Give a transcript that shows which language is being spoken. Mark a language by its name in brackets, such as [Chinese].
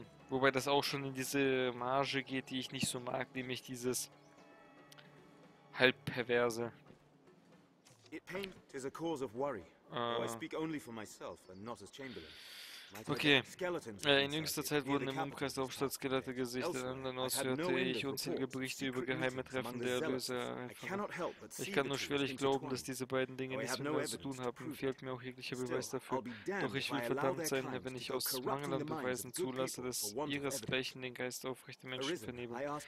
[German] Wobei das auch schon in diese Marge geht, die ich nicht so mag, nämlich dieses halb perverse. [English] Pain is a cause of worry. I speak only for myself and not as Chamberlain. [German] Okay, in jüngster Zeit wurden im Umkreis der Hauptstadt Skelette gesichtet, in anderen Orts hörte ich unzählige Berichte über geheime Treffen der Erlöser. Ich kann nur schwerlich glauben, dass diese beiden Dinge nichts miteinander zu tun haben, fehlt mir auch jeglicher Beweis dafür. Doch ich will verdammt sein, wenn ich aus Mangel an Beweisen zulasse, dass ihresgleichen den Geist aufrechte Menschen vernebeln.